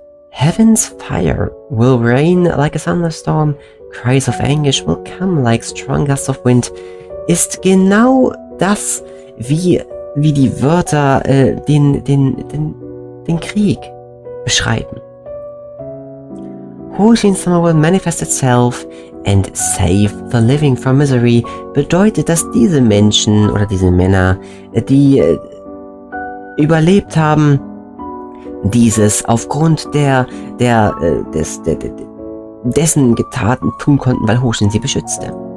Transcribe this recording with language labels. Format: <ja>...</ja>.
<en>Heaven's fire will rain like a thunderstorm. Cries of anguish will come like strong gusts of wind.</en> <de>Ist genau das, wie die Wörter den Krieg beschreiben.</de> <en>Hoshin-sama will manifest itself and save the living from misery.</en> <de>Bedeutet, dass diese Menschen oder diese Männer, die überlebt haben, dieses aufgrund dessen Getaten tun konnten, weil Hoshin sie beschützte.</de>